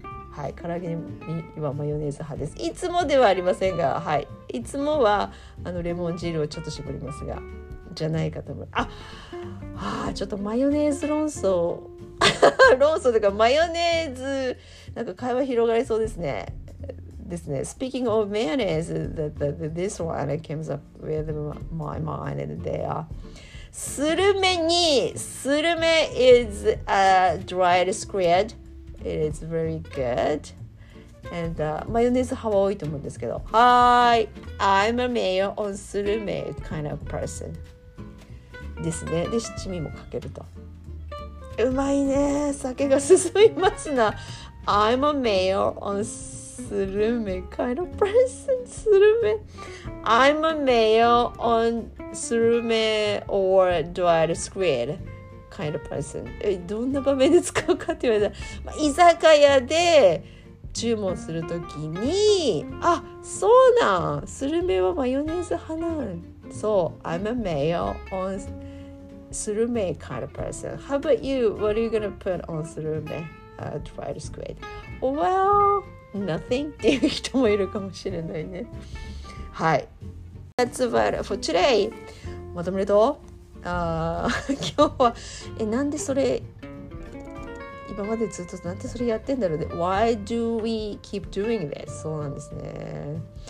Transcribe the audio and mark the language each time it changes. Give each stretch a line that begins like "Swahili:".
Japanese: はい、唐揚げにはマヨネーズ派です。いつもではありませんが、はい、いつもはあのレモン汁をちょっと絞りますが、じゃない方も、あ、はあ、ちょっとマヨネーズ論争論争というかマヨネーズなんか会話広がりそうですね。ですね。
English: Speaking of mayonnaise, this one came up with my mind and they are
Japanese: スルメに、
English: スルメ is a dried squid. It is very good.
Japanese: And マヨネーズ派は多いと思うんですけど。
English: はい。I'm a mayo on スルメ kind of person. ですね。
Japanese: で、七味もかけると。うまいね。酒が進みますな。
English: I'm a mayo on スルメ kind of person.
Japanese: スルメ。
English: I'm a mayo on スルメ or dried squid kind of person.
Japanese: どんな場面で使うかって言われたら、まあ、居酒屋で注文するときに、あ、そうなん。スルメはマヨネーズ派なん。
English: So, I'm a mayo on surume kind of person. How about you? What are you going to put on surume? Dried squid. Well, nothing.
Japanese: っていう人もいるかもしれないね。
English: はい。That's about it for today.
Japanese: まとめると、今日は、なんでそれ、今までずっとなんでそれやってんだろうね。
English: Why do we keep doing this?
Japanese: そうなんですね。